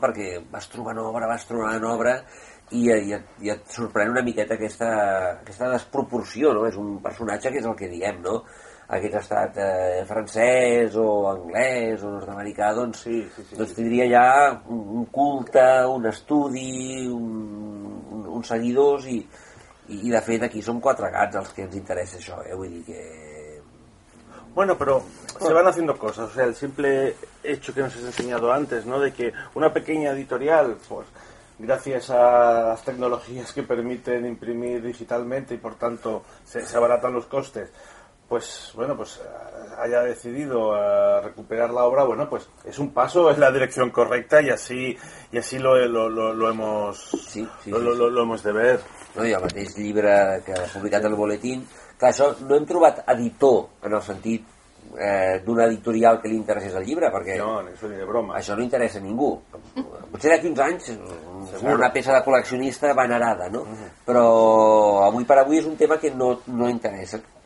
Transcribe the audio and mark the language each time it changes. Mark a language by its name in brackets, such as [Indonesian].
[Catalan] Perquè vas trobant obra i et sorprèn una miqueta aquesta desproporció, no? És un personatge que és el que diem, no? Aquest estat francès o anglès o nord-americà, doncs, sí. Doncs tindria ja un culte, un estudi, un seguidors, i de fet aquí som quatre gats els que ens interessa això, eh? Vull dir que... [Spanish] Bueno, però se van haciendo cosas, o sea, el simple hecho que nos has enseñado antes, ¿no? De que una pequeña editorial, pues, gracias a las tecnologías que permiten imprimir digitalmente y por tanto se abaratan los costes, pues bueno, pues haya decidido recuperar la obra, bueno, pues es un paso, es la dirección correcta y así lo hemos de ver. [Catalan] No, i el mateix llibre que ha publicat el boletín, clar, això no hem trobat editor en el sentit d'una editorial que li interessés el llibre, perquè no, això, ni de broma. Això no interessa a ningú. Potser d'aquí uns anys segur. Una peça de col·leccionista venerada, no? Però avui per avui és un tema que no interessa.